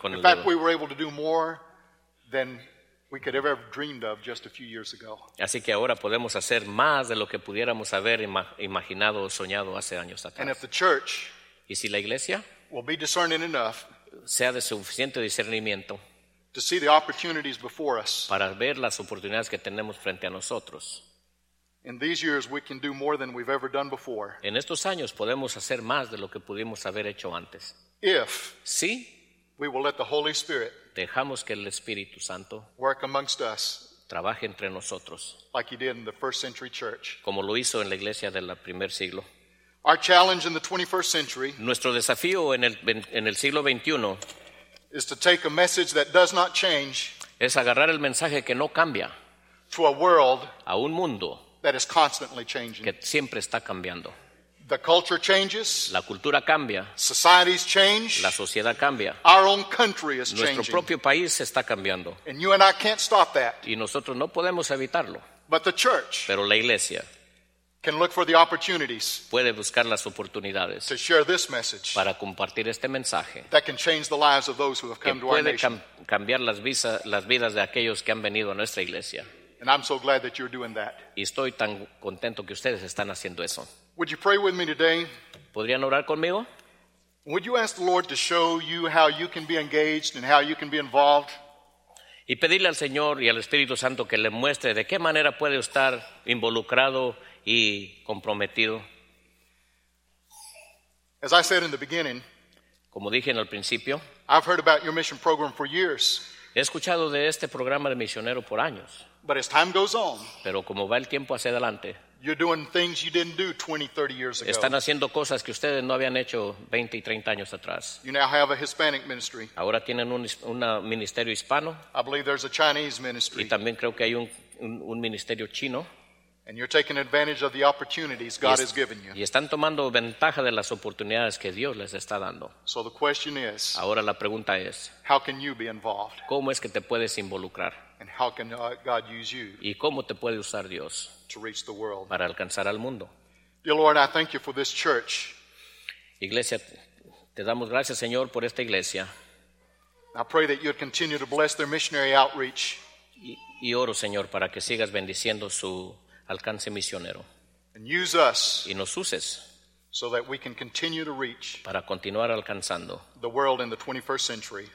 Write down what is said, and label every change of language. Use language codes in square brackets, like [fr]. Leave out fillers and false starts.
[en] In fact, we were able to do more than we could ever have dreamed of just a few years ago. [es] Así que ahora podemos hacer más de lo que pudiéramos haber imaginado o soñado hace años atrás. [en] And if the church, [es] y si la iglesia, [en] will be discerning enough, [es] sea de suficiente discernimiento, [en] to see the opportunities before us, [es] para ver las oportunidades que tenemos frente a nosotros. [en] In these years, we can do more than we've ever done before. [es] En estos años podemos hacer más de lo que pudimos haber hecho antes. [en] If [es] sí, [en] we will let the Holy Spirit, [es] dejamos que el Espíritu Santo, [en] work amongst us, [es] trabaje entre nosotros, [en] like he did in the first century church, [es] como lo hizo en la iglesia del primer siglo. [en] Our challenge in the 21st century, [es] nuestro desafío en el siglo 21, [en] is to take a message that does not change, [es] es agarrar el mensaje que no cambia, [en] to a world, [es] a un mundo, [en] that is constantly changing, [es] que siempre está cambiando. [en] The culture changes, [es] la cultura cambia, [en] societies change, [es] la sociedad cambia, [en] our own country is [es] nuestro [en] changing, [es] propio país está cambiando, [en] and you and I can't stop that, [es] y nosotros no podemos evitarlo. [en] But the church, [es] pero la iglesia, [en] can look for the opportunities, [es] puede buscar las oportunidades, [en] to share this message, [es] para compartir este mensaje, [en] that can change the lives of those who have come to our nation, [es] que puede cambiar las vidas de aquellos que han venido a nuestra iglesia. [en] And I'm so glad that you're doing that. [es] Y estoy tan contento que ustedes están haciendo eso. [en] Would you pray with me today? [es] ¿Podrían orar conmigo? [en] Would you ask the Lord to show you how you can be engaged and how you can be involved? [es] Y pedirle al Señor y al Espíritu Santo que le muestre de qué manera puede estar involucrado y comprometido. [en] As I said in the beginning, [es] como dije en el principio, [en] I've heard about your mission program for years. [es] He escuchado de este programa de misionero por años. [en] But as time goes on, [es] pero como va el tiempo hacia adelante, [en] you're doing things you didn't do 20, 30 years ago. [es] Están haciendo cosas que ustedes no habían hecho 20 y 30 años atrás. [en] You now have a Hispanic ministry. [es] Ahora tienen un ministerio hispano. [en] I believe there's a Chinese ministry. [es] Y también creo que hay un ministerio chino. [en] And you're taking advantage of the opportunities God has given you. [es] Y están tomando ventaja de las oportunidades que Dios les está dando. [en] So the question is, [es] ahora la pregunta es, [en] how can you be involved? [es] ¿Cómo es que te puedes involucrar? [en] And how can God use you? [es] ¿Y cómo te puede usar Dios? [en] To reach the world. [es] Para alcanzar al mundo. [en] Dear Lord, I thank you for this church. [es] Iglesia, te damos gracias, Señor, por esta iglesia. [en] I pray that you'd continue to bless their missionary outreach. [es] Y oro, Señor, para que sigas bendiciendo su alcance misionero. [en] And use us. [es] Y nos uses. [en] So that we can continue to reach. [es] Para continuar alcanzando. [en] The world in the 21st century.